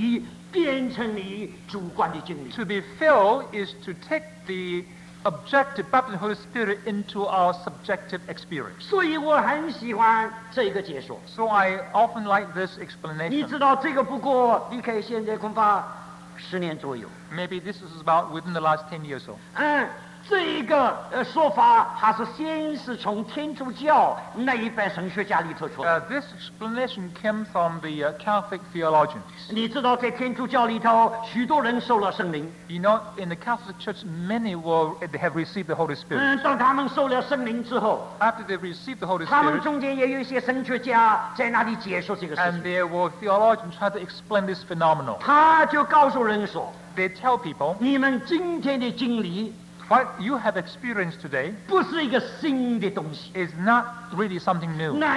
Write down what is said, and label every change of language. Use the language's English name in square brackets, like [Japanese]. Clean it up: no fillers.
[Chinese] 充满就是把洗的那个客观的真理变成你主观的真理。 [English] To be filled is to take the objective baptism of the Holy Spirit into our subjective experience. [Chinese] 所以我很喜欢这个解说。 [English] So I often like this explanation. [Chinese] 你知道这个不过离开现在恐怕10年左右。 [English] Maybe this is about within the last 10 years or so. [Chinese] 这一个说法还是先是从天主教那一班神学家里头出来。 [English] This explanation came from the Catholic theologians. [Chinese] 你知道在天主教里头许多人受了圣灵。 [English] You know, in the Catholic Church, many have received the Holy Spirit. [Chinese] 当他们受了圣灵之后。 [English] After they received the Holy Spirit. [Chinese] 他们中间也有一些神学家在那里解说这个事情。 [English] And there were theologians trying to explain this phenomenon. [Chinese] 他就告诉人说。 [English] They tell people. [Chinese] 你们今天的经历。 [English] What you have experienced today is not really something new.